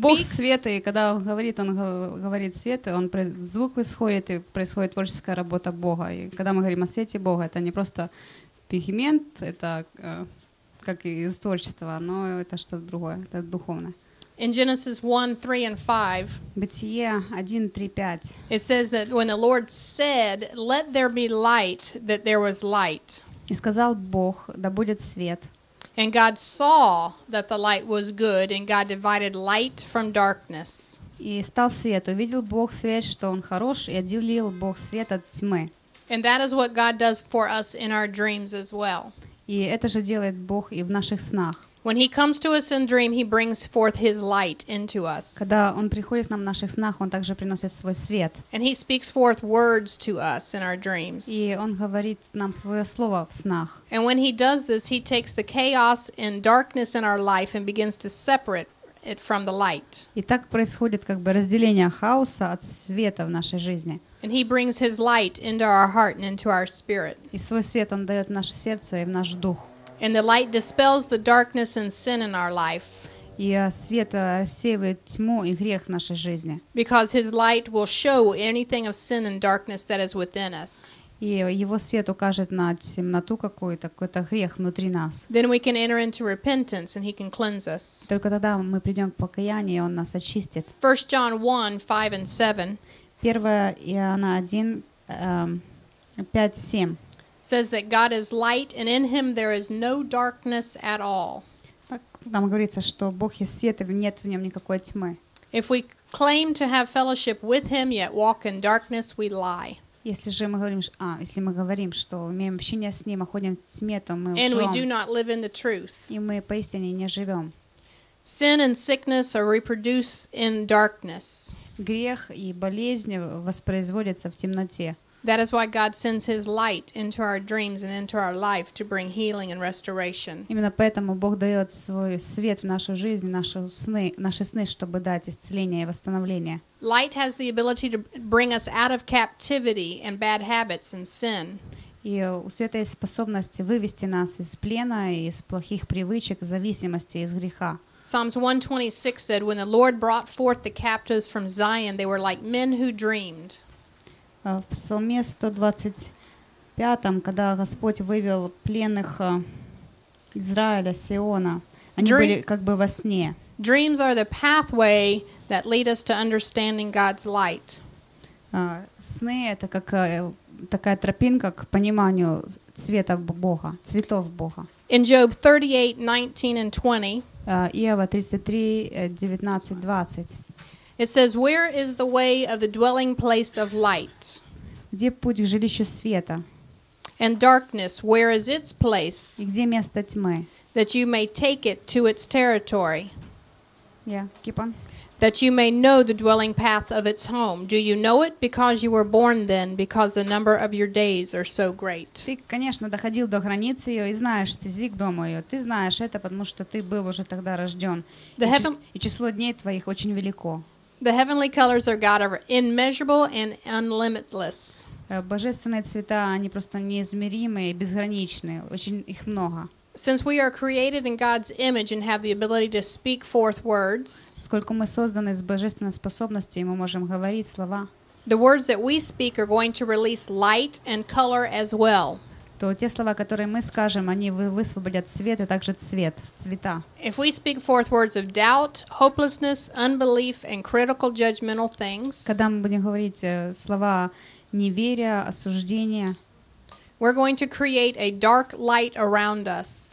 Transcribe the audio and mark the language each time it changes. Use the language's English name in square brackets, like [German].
[Russian] Бог света, и когда он говорит свет, он звук исходит, и происходит творческая работа Бога. И когда мы говорим о свете Бога, это не просто пигмент, это как из творчества, но это что-то другое, это духовное. [English] In Genesis 1, 3, and 5, [Russian] Бытие 1, 3, 5, [English] it says that when the Lord said, let there be light, that there was light. [Russian] И сказал Бог, да будет свет. [English] And God saw that the light was good, and God divided light from darkness. [Russian] И стал свет, увидел Бог свет, что он хорош, и отделил Бог свет от тьмы. [English] And that is what God does for us in our dreams as well. [Russian] И это же делает Бог и в наших снах. [English] When he comes to us in dream, he brings forth his light into us. [Russian] Когда он приходит к нам в наших снах, он также приносит свой свет. [English] And he speaks forth words to us in our dreams. [Russian] И он говорит нам своё слово в снах. [English] And when he does this, he takes the chaos and darkness in our life and begins to separate it from the light. [Russian] И так происходит как бы разделение хаоса от света в нашей жизни. [English] And he brings his light into our heart and into our spirit. [Russian] И свой свет он даёт в наше сердце и в наш дух. [English] And the light dispels the darkness and sin in our life. [Russian] И свет рассеивает тьму и грех в нашей жизни. [English] Because his light will show anything of sin and darkness that is within us. [Russian] И его свет укажет на темноту какую-то, какой-то грех внутри нас. [English] Then we can enter into repentance and he can cleanse us. [Russian] Только тогда мы придём к покаянию, и он нас очистит. [English] 1 John 1, 5 and 7. 1 John 1:5-7. Says that God is light, and in him there is no darkness at all. [Russian] Нам говорится, что Бог есть свет, и нет в нем никакой тьмы. [English] If we claim to have fellowship with him, yet walk in darkness, we lie. [Russian] Если мы говорим, что имеем общение с ним, а ходим в тьме, то мы лжем. [English] And we do not live in the truth. [Russian] И мы поистине не живем. [English] Sin and sickness are reproduced in darkness. [Russian] Грех и болезнь воспроизводятся в темноте. [English] That is why God sends his light into our dreams and into our life to bring healing and restoration. [Russian] Именно поэтому Бог даёт свой свет в нашу жизнь, наши сны, чтобы дать исцеление и восстановление. [English] Light has the ability to bring us out of captivity and bad habits and sin. [Russian] И у света есть способность вывести нас из плена, из плохих привычек, зависимости, из греха. [English] Psalms 126 said, when the Lord brought forth the captives from Zion, they were like men who dreamed. [Russian] В Псалме 125, когда Господь вывел пленных Израиля, Сиона, они были как бы во сне. [English] Dreams are the pathway that lead us to understanding God's light. [Russian] Сны — это как такая тропинка к пониманию цвета Бога, цветов Бога. [English] In Job 38:19 and 20, [Russian] Иова 33:19-20. [English] It says, where is the way of the dwelling place of light? [Russian] Где путь к жилищу света? [English] And darkness, where is its place? [Russian] И где место тьмы? [English] That you may take it to its territory. Yeah, keep on. That you may know the dwelling path of its home. Do you know it? Because you were born then, because the number of your days are so great. [Russian] Ты, конечно, доходил до границы ее и знаешь стези к дому ее. Ты знаешь это, потому что ты был уже тогда рожден. И число дней твоих очень велико. [English] The heavenly colors of God are immeasurable and unlimitless. [Russian] Божественные цвета, они просто неизмеримые, безграничные, очень их много. [English] Since we are created in God's image and have the ability to speak forth words, [Russian] сколько мы созданы с божественной способностью, и мы можем говорить слова. [English] The words that we speak are going to release light and color as well. [Russian] То те слова, которые мы скажем, они высвободят свет и также цвет, цвета. [English] If we speak forth words of doubt, hopelessness, unbelief, and critical judgmental things, [Russian] когда мы будем говорить слова неверия, осуждения, [English] we're going to create a dark light around us.